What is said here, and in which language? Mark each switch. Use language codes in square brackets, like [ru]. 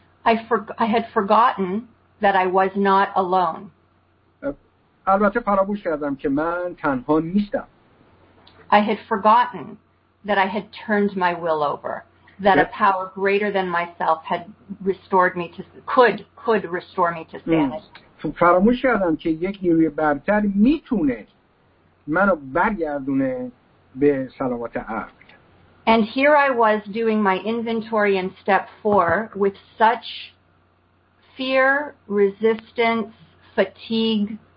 [en] I had forgotten that I was not alone. [fa] البته فراموش کردم که من تنها نیستم. [en] I had forgotten that I had turned my will over, that a power greater than myself had restored me to could restore me to sanity. [fa] فراموش کردم که یک نیروی برتر میتونه منو برگردونه به سلامت عقل. [en] And here I was doing my inventory in step 4 with such fear, resistance, fatigue.